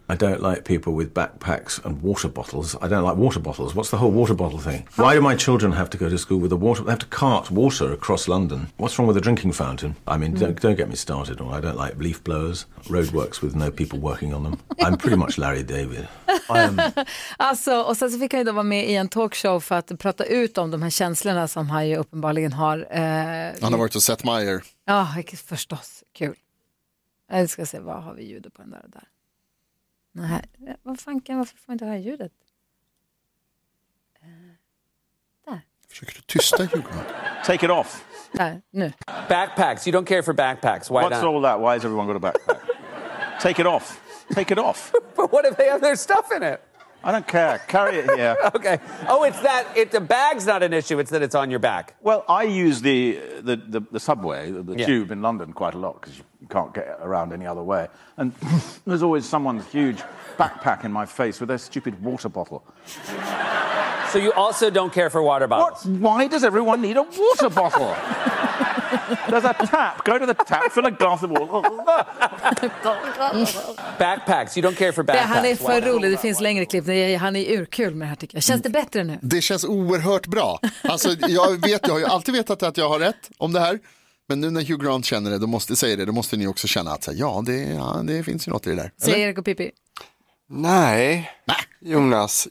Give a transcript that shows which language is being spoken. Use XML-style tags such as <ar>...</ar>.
<en>I don't like people with backpacks and water bottles. I don't like water bottles. What's the whole water bottle thing? Why do my children have to go to school with a water? They have to cart water across London. What's wrong with a drinking fountain? I mean, don't get me started. I don't like leaf blowers, roadworks with no people working on them. I'm pretty much Larry David.</en> <sv>Alltså, och sen så fick han ju då vara med i en talkshow för att prata ut om de här känslorna som han ju uppenbarligen har. Han har varit hos Seth Meyer. Ja, förstås. Kul. Jag ska se, vad har vi ljudet på den där? Nej, vad fan kan, varför får man inte höra ljudet? Där. Försöker du tysta ljudet?</sv> <en>Take it off.</en> <sv>Där, nu.</sv> <en>Backpacks, you don't care for backpacks. Why What's not? All that? Why has everyone got a backpack? Take it off. Take it off. But what if they have their stuff in it? I don't care. Carry it here. Okay. Oh, it's that. The bag's not an issue. It's that it's on your back. Well, I use the subway, the tube in London quite a lot because you can't get around any other way. And there's always someone's huge backpack in my face with their stupid water bottle. So you also don't care for water bottles? Why does everyone need a water bottle? There's a tap. Go to the tap. Fill a glass of water. Backpacks. You don't care for backpacks.</en> <sv>Det, han är för rolig. Det finns längre klipp. Han är urkul med det här, tycker jag. Känns det bättre nu? Det känns oerhört bra. Alltså, jag vet, jag har ju alltid vetat att jag har rätt om det här. Men nu när Hugh Grant känner det, då måste, säger det, då måste ni också känna att så, det finns ju något i det där. Säger Erik och Pippi. Nej, Jonas.</sv>